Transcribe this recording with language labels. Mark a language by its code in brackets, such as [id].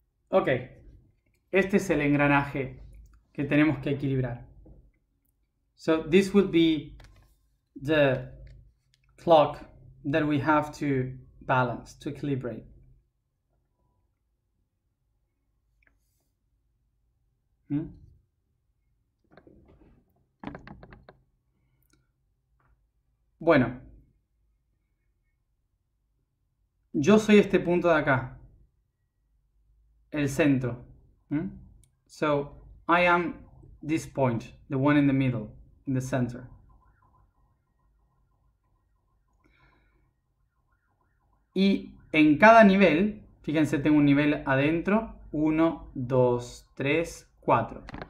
[es] Ok, este es el engranaje que tenemos que equilibrar. [en] So this will be the clock that we have to balance, to equilibrate. [es] Bueno, yo soy este punto de acá, el centro. [en] So I am this point, the one in the middle, in the center. [es] Y en cada nivel, fíjense, tengo un nivel adentro, 1, 2, 3, 4.